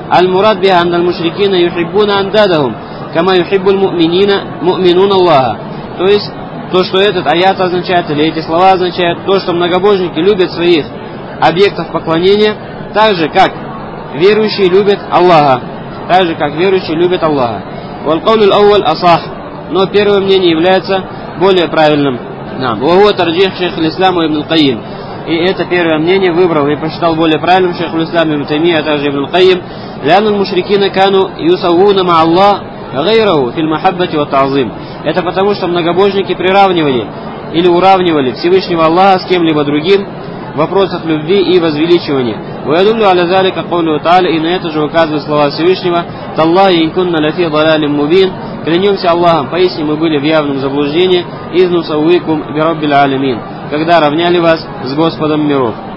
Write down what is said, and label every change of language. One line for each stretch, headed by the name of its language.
Arabic: أَلْمُرَدْ بِهَا أَنَّ الْمُشْرِكِينَ يُحِبُّونَ أَنْدَادَهُمْ كَمَا يُحِبُّ الْمُؤْمِنِينَ مُؤْمِنُونَ اللَّهَ,
Russian: то есть то, что этот аят означает, или эти слова означают, то, что многобожники любят своих объектов поклонения так же, как верующие любят Аллаха. Так же, как верующие любят Аллаха.
Arabic: وَالْقَوْلُ الْأَوَّلُ أَصَحُّ,
Russian: но первое мнение является более правильным.
Arabic: وَهُوَ تَرْجِيحُ شَيْخِ الْإِسْلَامِ وَإِبْنِ الْقَيِّمِ,
Russian: и это первое мнение выбрал и посчитал более правильным шейх ислам ибн Таймия, а также ибн Каим.
Arabic: لَأَنَّ الْمُشْرِكِينَ كَانُوا يُسَوُّونَ مَعَ اللَّهِ غَيْرَهُ فِي الْمَحَبَّةِ وَالتَّعْظِيمِ,
Russian: это потому, что многобожники приравнивали или уравнивали Всевышнего Аллаха с кем-либо другим в вопросах любви и возвеличивания.
Arabic: وَيَدُلُّ عَلَى ذَلِكَ قَوْلُهُ تَعَالَى,
Russian: и на это же указывают слова Всевышнего:
Arabic: تَاللَّهِ إِن كُنَّا لَفِي ضَلَالٍ مُبِينٍ,
Russian: клянемся Аллахом, поистине мы были в явном заблуждении,
Arabic: إِذْنُ صَوِّيكُمْ بِرَبِّ الْعَالَمِينَ,
Russian: когда равняли вас с Господом миров.